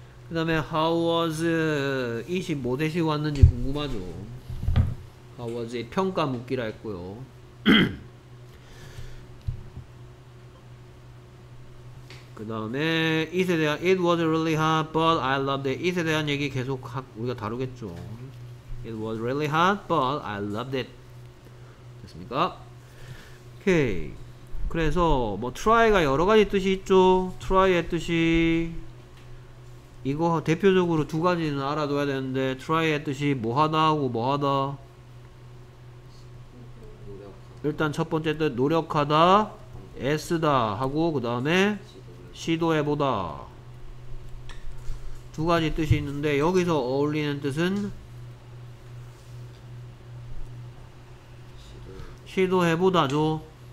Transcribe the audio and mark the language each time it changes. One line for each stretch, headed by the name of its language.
Korean: 그 다음에
English: how was it
Korean: 이 뭐 대시 왔는지 궁금하죠.
English: How was it
Korean: 평가 묻기라 했고요. 그 다음에 it에 대한
English: it was really hot but I loved it.
Korean: it에 대한 얘기 계속 우리가 다루겠죠.
English: It was really hot, but I loved it.
Korean: 됐습니까? 오케이. 그래서 뭐 try가 여러 가지 뜻이 있죠. try의 뜻이 이거 대표적으로 두 가지는 알아둬야 되는데 try의 뜻이 뭐하다 하고 뭐하다. 일단 첫 번째 뜻 노력하다, 애쓰다 하고 그 다음에 시도해보다 두 가지 뜻이 있는데 여기서 어울리는 뜻은 시도해보다죠.